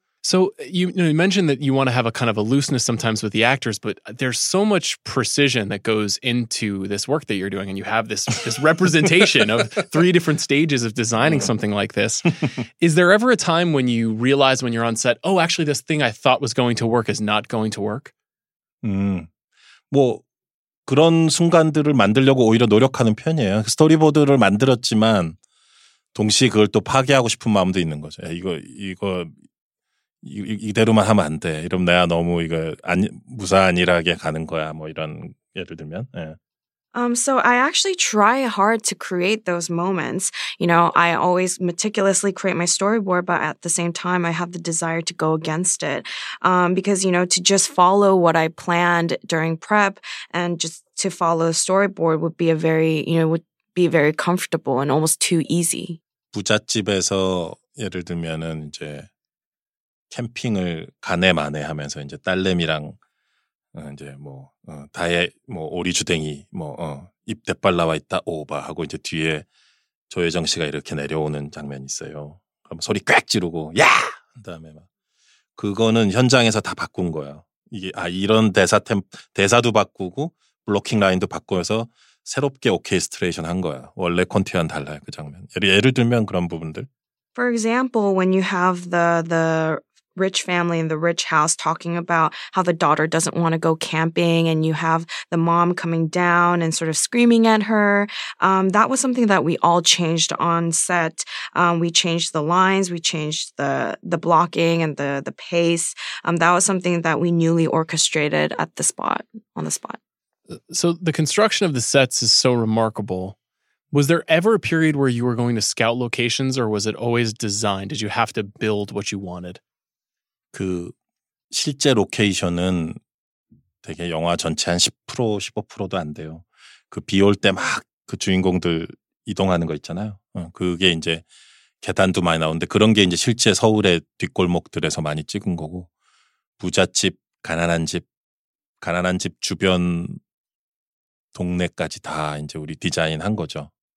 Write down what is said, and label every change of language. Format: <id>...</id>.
<en>So you mentioned that you want to have a kind of a looseness sometimes with the actors, but there's so much precision that goes into this work that you're doing, and you have this representation of three different stages of designing something like this. Is there ever a time when you realize when you're on set, oh, actually, this thing I thought was going to work is not going to work?</en> <ko>뭐 그런 순간들을 만들려고 오히려 노력하는 편이에요. 스토리보드를 만들었지만 동시에 그걸 또 파괴하고 싶은 마음도 있는 거죠. 이거 이대로만 하면 안 돼. 이러면 내가 너무 이거 무사안일하게 가는 거야. 뭐 이런 예를 들면. 예.</ko> <en>So I actually try hard to create those moments. You know, I always meticulously create my storyboard, but at the same time, I have the desire to go against it. Because, you know, to just follow what I planned during prep and just to follow a storyboard would be a very, you know, would be very comfortable and almost too easy.</en> <ko>부잣집에서 예를 들면은 이제 캠핑을 간에 만에 하면서 이제 딸내미랑 이제 뭐 다의 뭐 오리주댕이 뭐 입 대빨 나와 있다 오바 하고 이제 뒤에 조혜정 씨가 이렇게 내려오는 장면 있어요. 그럼 소리 꽥 지르고 야! 그다음에 막 그거는 현장에서 다 바꾼 거예요. 이게 아 이런 대사도 바꾸고 블록킹 라인도 바꿔서 새롭게 오케스트레이션 한 거야. 원래 콘티와는 달라요, 그 장면. 예를 들면 그런 부분들.</ko> <en>For example, when you have the rich family in the rich house talking about how the daughter doesn't want to go camping and you have the mom coming down and sort of screaming at her. That was something that we all changed on set. We changed the lines, we changed the blocking and the pace. That was something that we newly orchestrated on the spot. So the construction of the sets is so remarkable. Was there ever a period where you were going to scout locations or was it always designed? Did you have to build what you wanted?</en> <ko>그 실제 로케이션은 되게 영화 전체 한 10%, 15%도 안 돼요. 그 비 올 때 막 그 주인공들 이동하는 거 있잖아요. 그게 이제 계단도 많이 나오는데 그런 게 이제 실제 서울의 뒷골목들에서 많이 찍은 거고 부잣집, 가난한 집 주변 동네까지 다 이제 우리 디자인 한 거죠.</ko>